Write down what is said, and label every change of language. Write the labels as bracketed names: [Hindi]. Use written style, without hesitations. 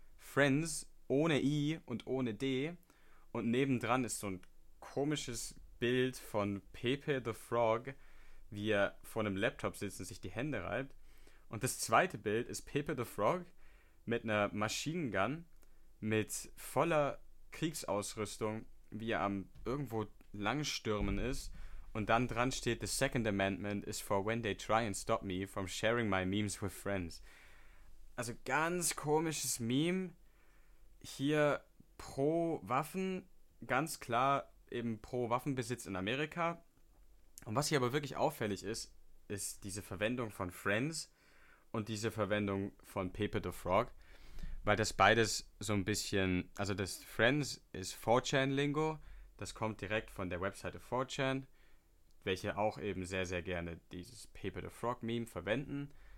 [German] Friends ohne I und ohne D. Und nebendran ist so ein komisches Bild von Pepe the Frog, wie er vor einem Laptop sitzt und sich die Hände reibt. Und das zweite Bild ist Pepe the Frog mit einer Machine Gun, mit voller Kriegsausrüstung, wie er am irgendwo langstürmen ist. Und dann dran steht: [English] The Second Amendment is for when they try and stop me from sharing my memes with friends. [German] Also ganz komisches Meme. Hier pro Waffen, ganz klar eben pro Waffenbesitz in Amerika. Und was hier aber wirklich auffällig ist, ist diese Verwendung von Friends und diese Verwendung von Pepe the Frog, weil das beides so ein bisschen, also das Friends ist 4chan-Lingo, das kommt direkt von der Webseite 4chan, welche auch eben sehr, sehr gerne dieses Pepe the Frog-Meme verwenden.